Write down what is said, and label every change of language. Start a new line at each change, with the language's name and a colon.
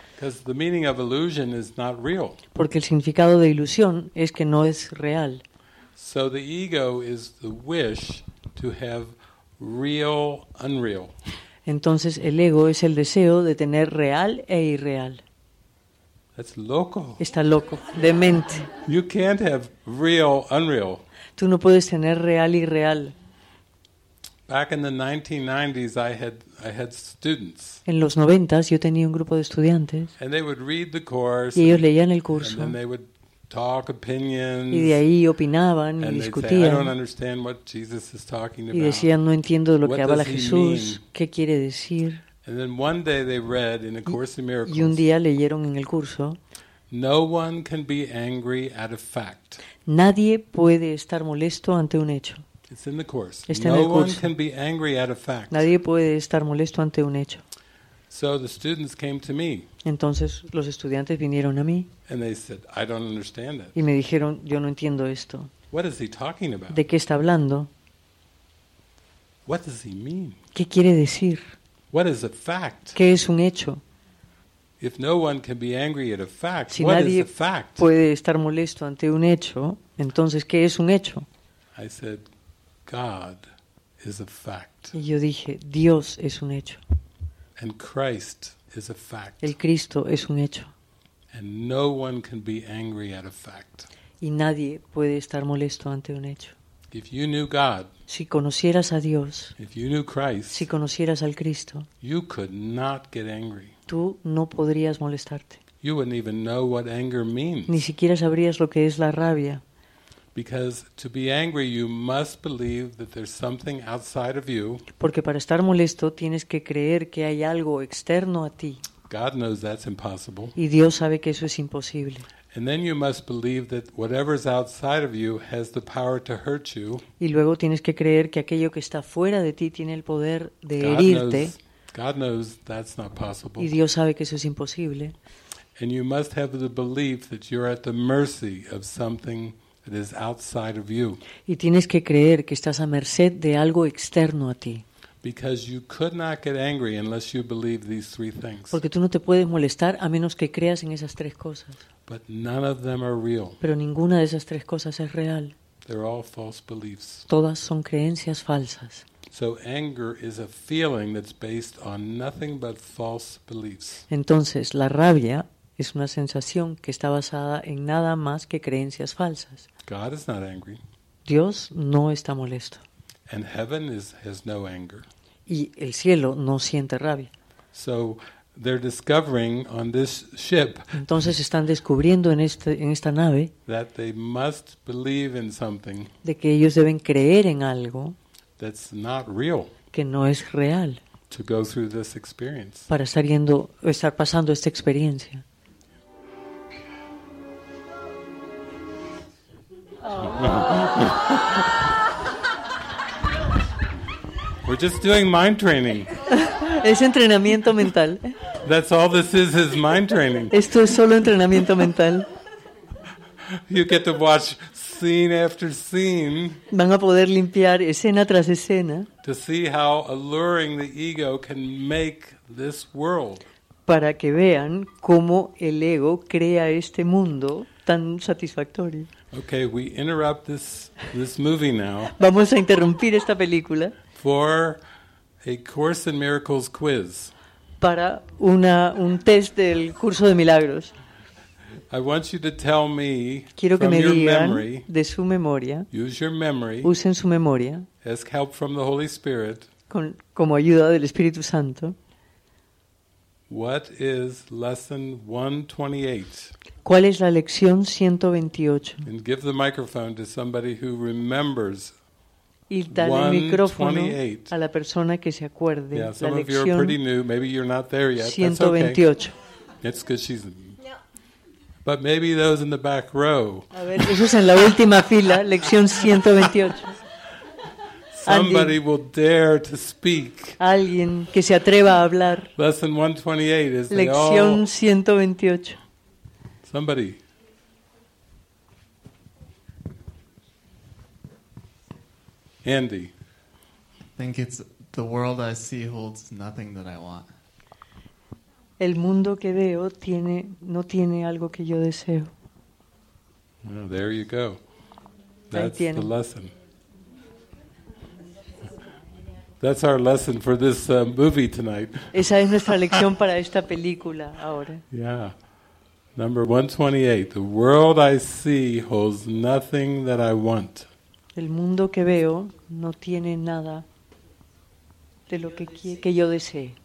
English: Because the meaning of illusion is not real.
Spanish: Porque el significado de ilusión es que no es real.
English: So the ego is the wish to have real unreal.
Spanish: Entonces el ego es el deseo de tener real e irreal.
English: That's loco.
Spanish: Está loco, demente.
English: You can't have real unreal.
Spanish: Tú no puedes tener real y real.
English: Back in the 1990s, I had students.
Spanish: En los 90s yo tenía un grupo de estudiantes.
English: And they would read the course.
Spanish: Y ellos leían el curso.
English: And they would talk opinions.
Spanish: Y de ahí opinaban y discutían.
English: And they'd say, "I don't understand what Jesus is talking about."
Spanish: Y decían, "No entiendo de lo que habla Jesús. ¿Qué quiere decir?"
English: And then one day they read in A Course in Miracles.
Spanish: Y un día leyeron en el curso.
English: No one can be angry at a fact.
Spanish: Nadie puede estar molesto ante un hecho.
English: It's in the course.
Spanish: Está no en el curso.
English: One can be angry at a fact.
Spanish: Nadie puede estar molesto ante un hecho.
English: So the students came to me.
Spanish: Entonces los estudiantes vinieron a mí.
English: And they said, "I don't understand it."
Spanish: Y me dijeron, "Yo no entiendo esto."
English: What is he talking about?
Spanish: ¿De qué está hablando?
English: What does he mean?
Spanish: ¿Qué quiere decir?
English: What is a fact?
Spanish: ¿Qué es un hecho?
English: If no one can be angry at a fact,
Spanish: si
English: what is a fact?
Spanish: Puede estar molesto ante un hecho, entonces ¿qué es un hecho?
English: I said, God is a fact.
Spanish: Y yo dije, Dios es un hecho.
English: And Christ is a fact.
Spanish: El Cristo es un hecho.
English: And no one can be angry at a fact.
Spanish: Y nadie puede estar molesto ante un hecho.
English: If you knew God,
Spanish: si conocieras a Dios,
English: if you knew Christ,
Spanish: si conocieras al Cristo,
English: you could not get angry.
Spanish: Tú no podrías molestarte.
English: You wouldn't even know what anger means.
Spanish: Ni siquiera sabrías lo que es la rabia.
English: Because to be angry, you must believe that there's something outside of you.
Spanish: Porque para estar molesto, tienes que creer que hay algo externo a ti.
English: God knows that's impossible.
Spanish: Y Dios sabe que eso es imposible.
English: And then you must believe that whatever's outside of you has the power to hurt you.
Spanish: Y luego tienes que creer que aquello que está fuera de ti tiene el poder de herirte.
English: God knows that's not possible.
Spanish: Y Dios sabe que eso es imposible.
English: And you must have the belief that you're at the mercy of something that is outside of you.
Spanish: Y tienes que creer que estás a merced de algo externo a ti.
English: Because you could not get angry unless you believe these three things.
Spanish: Porque tú no te puedes molestar a menos que creas en esas tres cosas.
English: But none of them are real.
Spanish: Pero ninguna de esas tres cosas es real.
English: They're all false beliefs.
Spanish: Todas son creencias falsas.
English: So anger is a feeling that's based on nothing but false beliefs.
Spanish: Entonces, la rabia es una sensación que está basada en nada más que creencias falsas.
English: God is not angry.
Spanish: Dios no está molesto.
English: And heaven has no anger.
Spanish: Y el cielo no siente rabia.
English: So they're discovering on this ship.
Spanish: Entonces están descubriendo en esta nave
English: that they must believe in something.
Spanish: De que ellos deben creer en algo.
English: That's not real.
Spanish: Que no es real.
English: To go through this experience.
Spanish: Para estar pasando esta experiencia. Oh.
English: We're just doing mind training.
Spanish: Es entrenamiento mental.
English: That's all this is mind training.
Spanish: Esto es solo entrenamiento mental.
English: You get to watch scene after scene.
Spanish: Van a poder limpiar escena tras escena.
English: To see how alluring the ego can make this world.
Spanish: Para que vean cómo el ego crea este mundo tan satisfactorio.
English: Okay, we interrupt this movie now.
Spanish: Vamos a interrumpir esta película.
English: For a Course in Miracles quiz.
Spanish: Para un test del curso de milagros.
English: I want you to tell me
Spanish: quiero
English: from
Spanish: que me
English: your
Spanish: digan
English: memory,
Spanish: de su memoria.
English: Use your memory.
Spanish: Usen su memoria.
English: Ask help from the Holy Spirit.
Spanish: Como ayuda del Espíritu Santo.
English: What is lesson 128?
Spanish: ¿Cuál es la lección 128?
English: And give the microphone to somebody who remembers.
Spanish: Y dale el micrófono a la persona que se acuerde.
English: Yeah, some of you are pretty new. Maybe you're not there yet. 128. That's okay. It's because she's. But maybe those in the back row.
Spanish: A ver, eso es en la última fila, lección 128.
English: Somebody will dare to speak.
Spanish: Alguien que se atreva a hablar.
English: Lesson 128 is the
Spanish: lección 128.
English: Somebody. Andy. I think it's the world I see holds nothing that I want.
Spanish: el mundo que veo tiene, no tiene algo que yo deseo.
English: Well, there you go. That's the lesson. That's our lesson for this movie tonight.
Spanish: Esa es nuestra lección para esta película ahora.
English: Yeah. Number 128. The world I see holds nothing that I want.
Spanish: El mundo que veo no tiene nada de lo que yo desee.